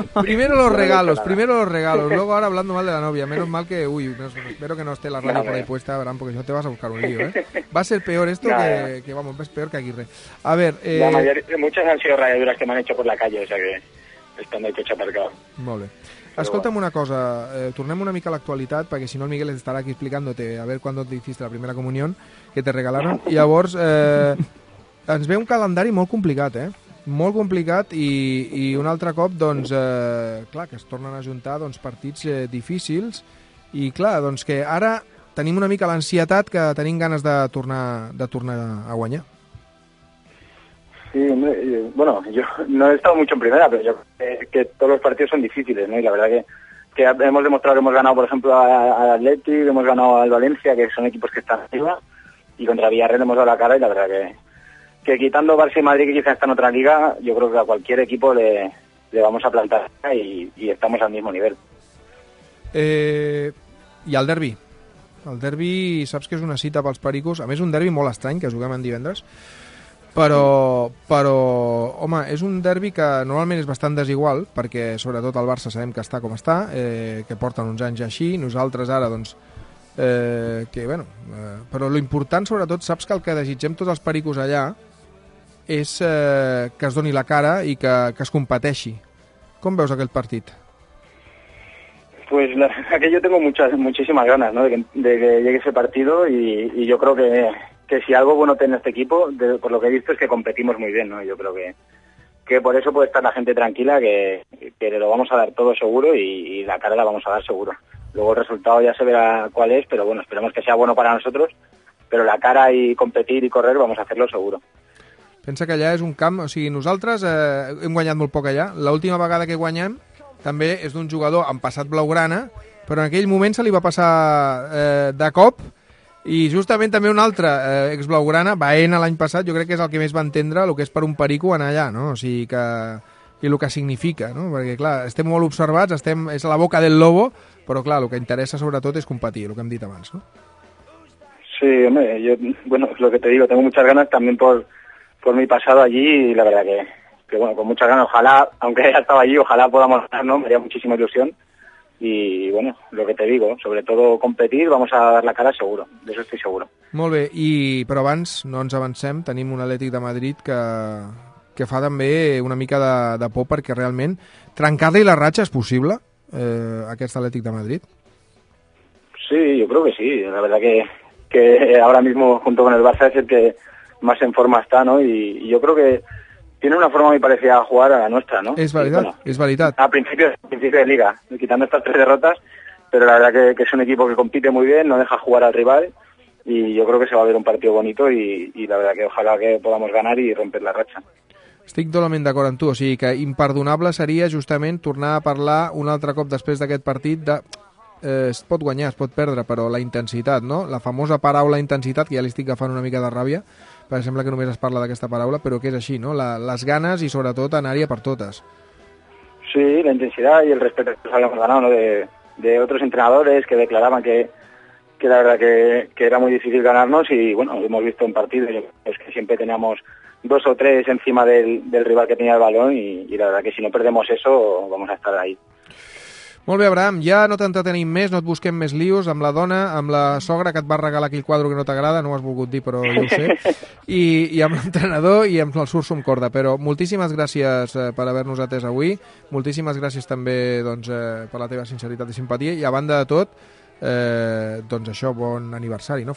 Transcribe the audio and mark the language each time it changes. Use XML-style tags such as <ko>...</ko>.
<es>Primero los regalos, luego ahora hablando mal de la novia. Menos mal que... Uy, espero que no esté la radio por ahí puesta, Abraham, porque si no te vas a buscar un lío, ¿eh? Va a ser peor esto que vamos, es peor que Aguirre. A ver... Muchas han sido rayaduras que me han hecho por la calle, o sea que... Estando el coche aparcado.</es> <ca>Molt bé. Escolta'm una cosa, tornem una mica a l'actualitat, perquè si no el Miguel estarà aquí explicant-te a veure quan et</ca> <es>hiciste</es> <ca>la primera comunió</ca> <es>que te regalaron.</es> <ca>I llavors, ens ve un calendari molt complicat, eh? Molt complicat i un altre cop, doncs, clar, que es tornen a juntar doncs, partits difícils i, clar, doncs que ara tenim una mica l'ansietat que tenim ganes de tornar a guanyar.</ca> <es>Sí, bueno, jo no he estado mucho en primera,</es> <ca>però jo...</ca> <es>que todos los partidos son difíciles, ¿no? Y la verdad que hemos demostrado que hemos ganado, por ejemplo, al Atleti, hemos ganado al Valencia, que son equipos que están arriba, y contra Villarreal hemos dado la cara, y la verdad que quitando Barça y Madrid, que quizás está en otra liga, yo creo que a cualquier equipo le vamos a plantar y estamos al mismo nivel. ¿Y al derbi?</es> <ca>El derbi, saps que és una cita pels pericos, a més un derbi molt estrany, que juguem en divendres, però, home, és un derbi que normalment és bastant desigual, perquè sobretot el Barça sabem que està com està, que porten uns anys així, nosaltres ara, doncs, però l'important, sobretot, saps que el que desitgem tots els pericos allà és que es doni la cara i que es competeixi. Com veus aquest partit?</ca> <es>Pues que yo tengo muchísimas ganas, ¿no?, de que llegue ese partido y yo creo que si algo bueno tiene este equipo, por lo que he visto, es que competimos muy bien, ¿no? Yo creo que por eso puede estar la gente tranquila, que lo vamos a dar todo seguro y la cara la vamos a dar seguro. Luego el resultado ya se verá cuál es, pero bueno, esperemos que sea bueno para nosotros, pero la cara y competir y correr vamos a hacerlo seguro.</es> <ca>Pensa que allà és un camp, o sigui, nosaltres hem guanyat molt poc allà. L'última vegada que guanyem també és d'un jugador amb passat blaugrana, però en aquell moment se li va passar de cop. I justament també un altre ex-blaugrana, Baena, l'any passat, jo crec que és el que més va entendre el que és per un perico anar allà, no? O sigui que... i el que significa, no? Perquè, clar, estem molt observats, és</ca> <es>a la boca del lobo,</es> <ca>però, clar, el que interessa sobretot és competir, el que hem dit abans, no?</ca> <es>Sí, home, yo, bueno, lo que te digo, tengo muchas ganas también por mi pasado allí y la verdad que bueno, con muchas ganas, ojalá, aunque haya estado allí, ojalá podamos ganar, ¿no? Me haría muchísima ilusión. Y bueno, lo que te digo, sobre todo competir, vamos a dar la cara seguro, de eso estoy seguro.</es> <ca>Molt bé, però abans no ens avancem, tenim un Atlètic de Madrid que fa també una mica de por perquè realment trencar-li la ratxa és possible, aquest Atlètic de Madrid?</ca> <es>Sí, yo creo que sí, la verdad que ahora mismo junto con el Barça es el que más en forma está, ¿no? Y yo creo que tiene una forma muy parecida a jugar a la nuestra, ¿no? Es verdad, bueno, es verdad. A principio de liga, quitando estas tres derrotas, pero la verdad que es un equipo que compite muy bien, no deja jugar al rival, y yo creo que se va a ver un partido bonito y la verdad que ojalá que podamos ganar y romper la racha.</es> <ca>Estic totalment d'acord amb tu, o sigui que imperdonable seria justament tornar a parlar un altre cop després d'aquest partit de... es pot guanyar, es pot perdre, però la intensitat, no? La famosa paraula intensitat, que ja li estic agafant una mica de ràbia, perquè sembla que només es parla d'aquesta paraula, però que és així, no? Les ganes i, sobretot, anar-hi per totes.</ca> <es>Sí, la intensitat i el respecte que s'havien ganat, ¿no? De otros entrenadores que declaraven que la verdad que era muy difícil ganarnos y, bueno, hemos visto un partido pues, que siempre teníamos dos o tres encima del rival que tenía el balón y la verdad que si no perdemos eso vamos a estar ahí.</es> <ca>Molt bé, Abraham, ja no t'entretenim més, no et busquem més lios amb la dona, amb la sogra que et va regalar aquell quadro que no t'agrada, no ho has volgut dir, però jo ho sé, i amb l'entrenador i amb el surso amb corda. Però moltíssimes gràcies per haver-nos atès avui, moltíssimes gràcies també doncs, per la teva sinceritat i simpatia, i a banda de tot, doncs això, bon aniversari, no?</ca>